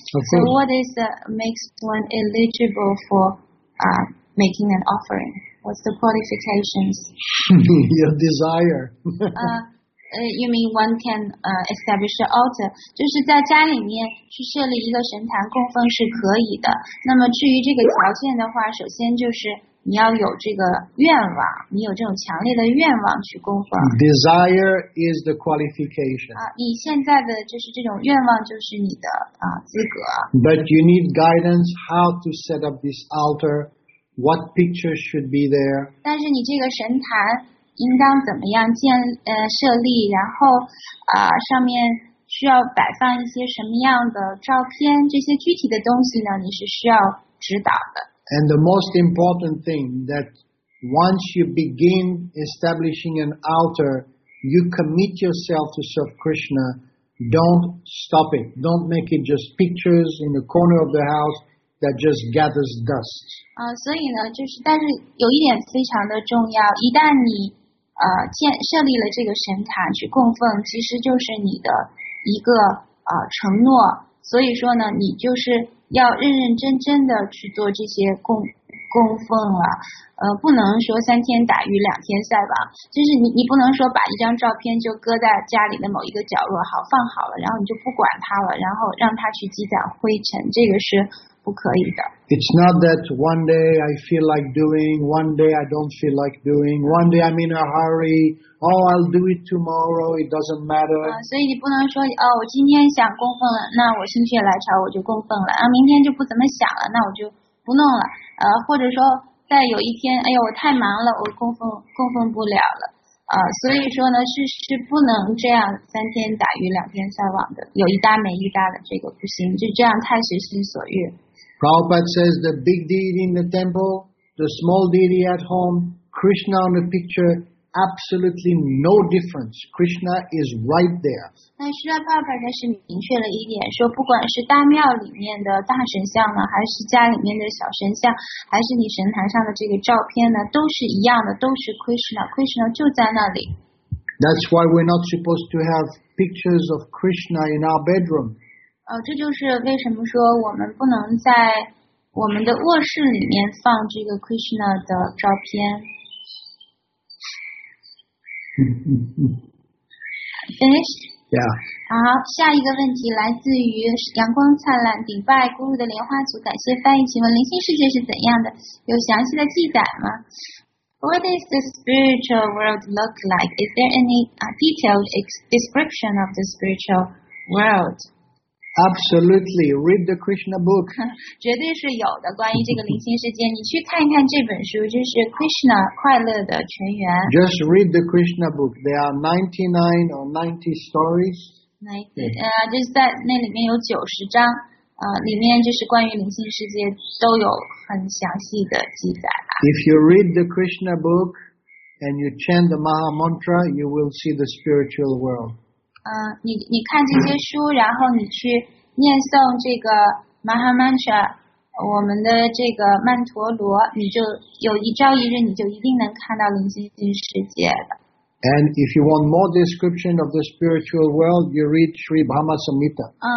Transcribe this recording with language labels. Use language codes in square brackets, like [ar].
[en] So what is makes one eligible for making an offering? What's the qualifications? Your desire. you mean one can establish an altar? [zh] 就是在家里面去设立一个神坛供奉是可以的。那么至于这个条件的话首先就是你要有这个愿望你有这种强烈的愿望去供奉。 [en] Desire is the qualification. [zh] 你现在的就是这种愿望就是你的资格。 [en] But you need guidance how to set up this altar, what picture should be there. [zh] 但是你这个神坛应当怎么样建设立然后上面需要摆放一些什么样的照片这些具体的东西呢你是需要指导的。 [en] And the most important thing that once you begin establishing an altar, you commit yourself to serve Krishna. Don't stop it. Don't make it just pictures in the corner of the house that just gathers dust. [zh] 所以呢，就是但是有一点非常的重要。一旦你设立了这个神坛去供奉，其实就是你的一个承诺。所以说呢，你就是。要认认真真的去做这些供奉了不能说三天打鱼两天晒网就是你不能说把一张照片就搁在家里的某一个角落好放好了然后你就不管它了然后让它去积攒灰尘这个是不可以的。 [en] It's not that one day I feel like doing, one day I don't feel like doing, one day I'm in a hurry, oh, I'll do it tomorrow, it doesn't matter. [zh] 所以你不能说我今天想供奉了那我心血来潮我就供奉了明天就不怎么想了那我就不弄了或者说在有一天我太忙了我供奉不了了所以说呢是不能这样三天打鱼两天晒网的有一搭没一搭的这个不行就这样太随心所欲。 [en] Prabhupada says the big deity in the temple, the small deity at home, Krishna on the picture, absolutely no difference. Krishna is right there. [zh] 那释迦牟尼佛他是明确了一点，说不管是大庙里面的大神像呢，还是家里面的小神像，还是你神坛上的这个照片呢，都是一样的，都是 Krishna. Krishna 就在那里。 [en] That's why we're not supposed to have pictures of Krishna in our bedroom. [zh] 这就是为什么说我们不能在我们的卧室里面放这个 Krishna 的照片。 [en] Finished? Yeah. [zh] 好，下一个问题来自于阳光灿烂顶拜咕噜的莲花组，感谢翻译，请问灵性世界是怎样的？有详细的记载吗？ [en] What does the spiritual world look like? Is there any detailed description of the spiritual world? Absolutely. Read the Krishna book. [zh] 绝对是有的关于这个灵性世界你去看一看这本书就是 Krishna 快乐的泉源。 [en] Just read the Krishna book. There are 99 or 90 stories. [zh] 就是在那里面有90章里面就是关于灵性世界都有很详细的记载。 [en] If you read the Krishna book and you chant the Maha Mantra, you will see the spiritual world. [zh] 你看这些书，然后你去念诵这个 Mahamantra， 我们的这个曼陀罗，你就有一朝一日，你就一定能看到灵性新世界的。 [en] And if you want more description of the spiritual world, you read Sri Brahma Samhita.